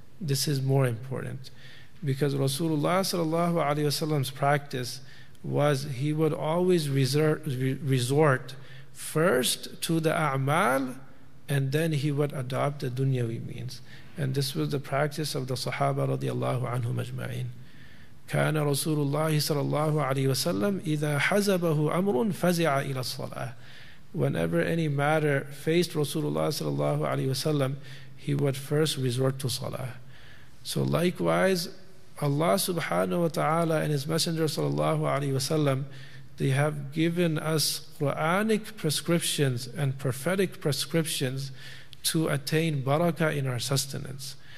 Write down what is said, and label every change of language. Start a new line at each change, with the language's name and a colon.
English: This is more important. Because Rasulullah sallallahu alaihi wasallam's practice was he would always resort first to the a'mal and then he would adopt the dunyawi means. And this was the practice of the Sahaba radiallahu anhum ajma'in.
Arabic: كان رسول الله صلى الله عليه وسلم إذا حزبه أمر فزع إلى الصلاة.
English: Whenever any matter faced Rasulullah صلى الله عليه وسلم, he would first resort to salah. So likewise, Allah subhanahu wa ta'ala and His Messenger صلى الله عليه وسلم, they have given us Quranic prescriptions and prophetic prescriptions to attain barakah in our sustenance.